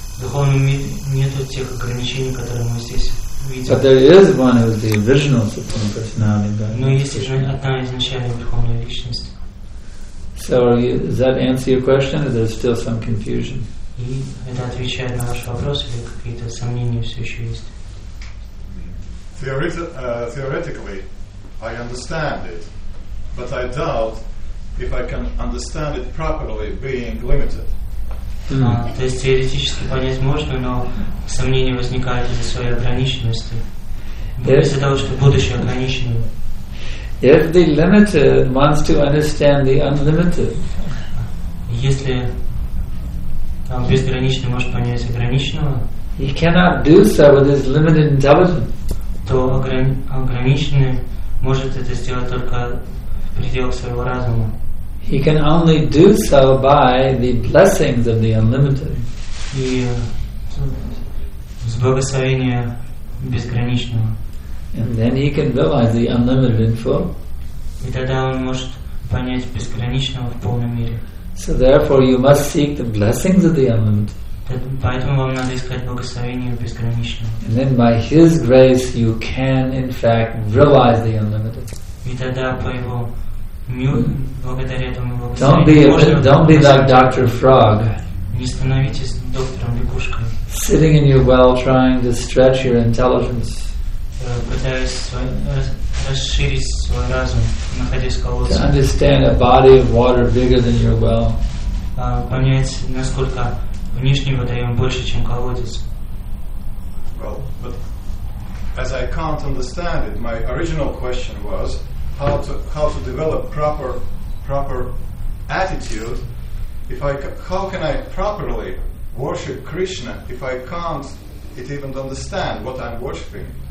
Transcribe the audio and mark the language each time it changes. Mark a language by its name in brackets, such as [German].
[Russian] В духовном мире нет тех ограничений, которые мы здесь видим. [English] But there is one who is the original Supreme Personality. [Russian] Но есть же одна изначальная верховная личность. [English] So does that answer your question, or there's still some confusion? [Russian] И это отвечает на ваш вопрос, или какие-то сомнения все еще есть? [English] Theoretically, I understand it, but I doubt if I can understand it properly, being limited. [Russian] То есть теоретически понять можно, но сомнения возникают из-за своей ограниченности, из-за того, что будущее ограничено. [English] If the limited wants to understand the unlimited, [Russian] если безграничный может понять ограниченного, [English] he cannot do so with his limited intelligence. [Russian] То ограниченный может это сделать только в пределах своего разума. [English] He can only do so by the blessings of the unlimited. [Russian] И с благословения безграничного. [English] And then he can realize the unlimited in full. [Russian] И тогда он может понять безграничного в полном мире. [English] So therefore you must seek the blessings of the unlimited. [Russian] Поэтому вам надо искать благословение безграничного. [English] And then by His grace you can in fact realize the unlimited. [Russian] И тогда по Его благодаря этому благословению. [English] Don't be like Dr. Frog. [Russian] Не становитесь доктором лягушкой. [English] Sitting in your well trying to stretch your intelligence. [Russian] Пытаясь расширить свой разум, находясь в колодце. [English] To understand a body of water bigger than your well. [Russian] Понять, насколько внешний водоем больше, чем колодец. [English] Well, but as I can't understand it, my original question was how to develop proper attitude. How can I properly worship Krishna if I can't even understand what I'm worshiping?